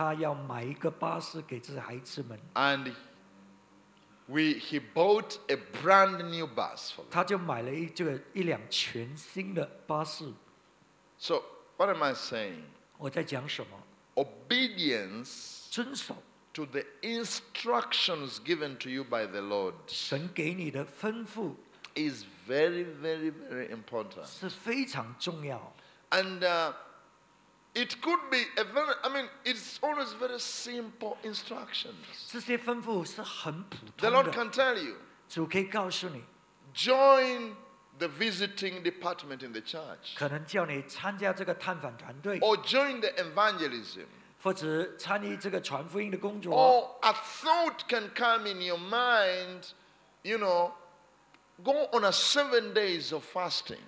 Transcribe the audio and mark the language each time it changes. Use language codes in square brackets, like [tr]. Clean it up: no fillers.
[zh] 所以他就告诉我说，神感动他要买一个巴士给这些孩子们。 [en] And he bought a brand new bus for them. [zh] 他就买了一辆全新的巴士。 [en] So, what am I saying? [zh] 我在讲什么? [en] Obedience [zh] 遵守 [en] to the instructions given to you by the Lord [zh] 神给你的吩咐 [en] is very, very, very important. [zh] 是非常重要。 [en] And it could be a very, I mean, it's always very simple instructions. [zh] 这些吩咐是很普通的。 [en] The Lord can tell you. [zh] 主可以告诉你。 [en] Join the visiting department in the church, [zh] 可能叫你参加这个探访团队, [en] or join the evangelism, [zh] 或者参与这个传福音的工作, [en] or a thought can come in your mind, you know, go on a 7 days of fasting.